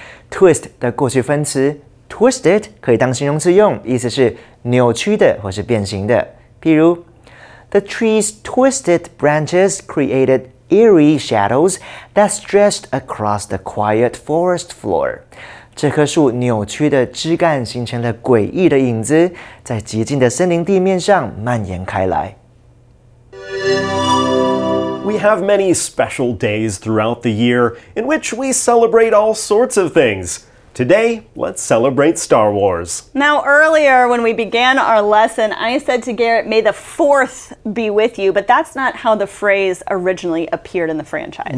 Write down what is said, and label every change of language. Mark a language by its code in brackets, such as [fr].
[zh] Twist 的过去分词 twisted 可以当形容词用，意思是扭曲的或是变形的。譬如 [en] ，The tree's twisted branches created eerie shadows that stretched across the quiet forest floor. [zh] 这棵树扭曲的枝干形成了诡异的影子，在寂静的森林地面上蔓延开来。 [en] We have many special days throughout the year in which we celebrate all sorts of things. Today, let's celebrate Star Wars. Now, earlier when we began our lesson, I said to Garrett, may the 4th be with you, but that's not how the phrase originally appeared in the franchise.